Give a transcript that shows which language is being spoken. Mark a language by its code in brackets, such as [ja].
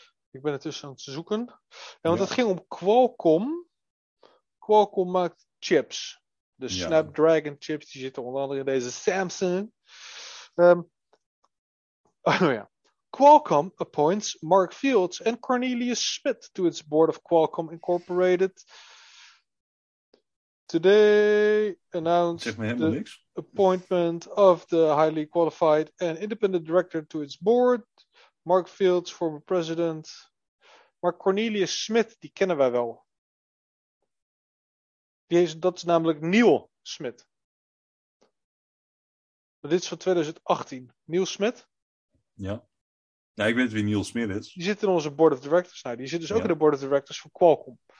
[nl] Ik ben ertussen aan het zoeken. Ja, want het ging om Qualcomm. Qualcomm maakt chips. De Snapdragon chips. Die zitten onder andere in deze Samsung. [en] Qualcomm appoints Mark Fields en Cornelius Schmidt to its board of Qualcomm Incorporated. Today announced the appointment of the highly qualified and independent director to its board. Mark Fields, former president. [nl] Maar Cornelius Schmidt, die kennen wij wel. Dat is namelijk Neil Smit. Maar dit is van 2018. Neil Smit? Ja. Nou, ik weet wie Neil Smit is. Die zit in onze board of directors. Nou, die zit dus ook in de board of directors van Qualcomm.